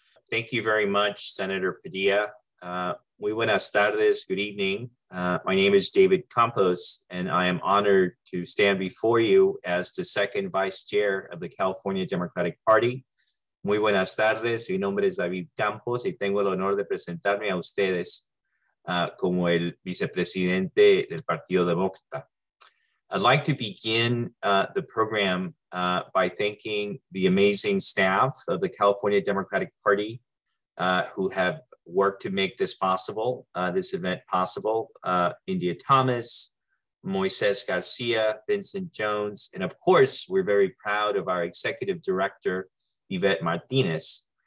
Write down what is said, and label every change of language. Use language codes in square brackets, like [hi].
[en] Thank you very much, Senator Padilla. [es] Muy buenas tardes, [en] good evening. My name is David Campos, and I am honored to stand before you as the second vice chair of the California Democratic Party. [es] Muy buenas tardes, mi nombre es David Campos, y tengo el honor de presentarme a ustedes como el vicepresidente del Partido Demócrata. [en] I'd like to begin the program by thanking the amazing staff of the California Democratic Party who have worked to make this possible, this event possible. India Thomas, Moises Garcia, Vincent Jones, and of course, we're very proud of our executive director, Yvette Martinez.